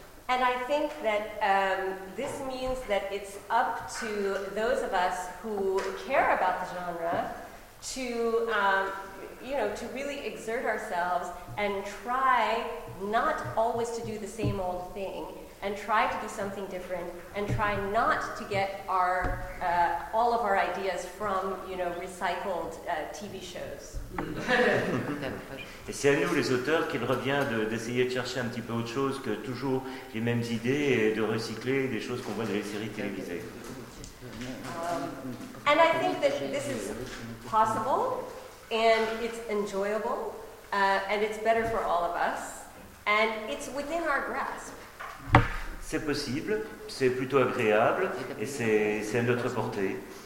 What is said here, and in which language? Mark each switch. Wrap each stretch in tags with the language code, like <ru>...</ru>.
<en>And I think that this means that it's up to those of us who care about the genre to, you know, to really exert ourselves and try not always to do the same old thing. And try to do something different, and try not to get our all of our ideas from, you know, recycled TV shows.</en> <fr>Et c'est à nous les auteurs qu'il revient d'essayer de chercher un petit peu autre chose que toujours les mêmes idées et de recycler des choses qu'on voit dans les séries télévisées.</fr> <en>And I think that this is possible, and it's enjoyable, and it's better for all of us, and it's within our grasp.</en> <fr>C'est possible, c'est plutôt agréable, et c'est à notre portée.</fr>